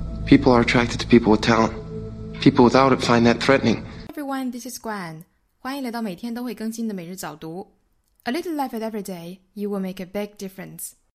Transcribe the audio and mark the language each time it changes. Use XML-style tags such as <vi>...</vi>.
<en>People are attracted to people with talent. People without it find that threatening. Everyone, this is Gwen.</en> <zh>欢迎来到每天都会更新的每日早读。</zh> <en>A little life at every day, you will make a big difference.</en>